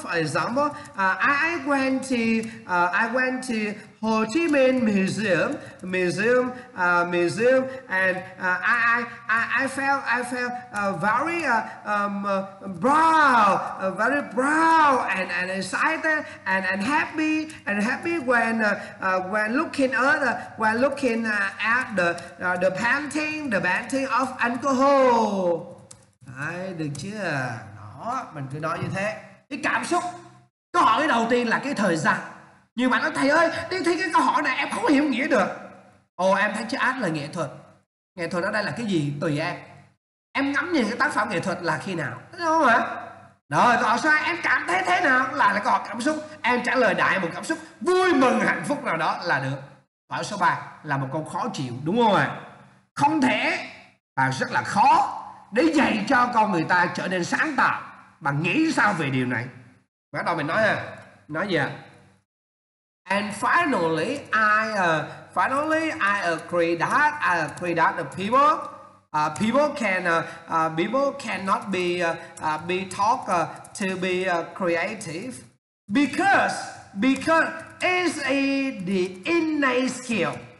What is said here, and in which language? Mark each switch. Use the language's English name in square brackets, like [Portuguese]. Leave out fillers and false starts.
[English] For example, I went to Ho Chi Minh Museum, and I felt very proud and excited and happy when looking at the painting of Anh Cơ Hổ. [Vietnamese] Đấy, được chưa? Đó, mình cứ nói như thế. Cái cảm xúc. Câu hỏi đầu tiên là cái thời gian. Nhưng mà nói thầy ơi, đi thi cái câu hỏi này em không hiểu nghĩa được. Ồ, em thấy chữ art là nghệ thuật. Nghệ thuật ở đây là cái gì? Tùy em. Em ngắm nhìn cái tác phẩm nghệ thuật là khi nào? Đúng không ạ? Rồi, câu hỏi sao em cảm thấy thế nào? Là câu hỏi cảm xúc. Em trả lời đại một cảm xúc vui mừng hạnh phúc nào đó là được. Câu hỏi số 3 là một câu khó chịu, đúng không ạ? Không thể và rất là khó để dạy cho con người ta trở nên sáng tạo. Bạn nghĩ sao về điều này? Bắt đầu mình nói ha. Nói gì ạ? [English] And finally, I agree that people cannot be taught to be creative because it's the innate skill.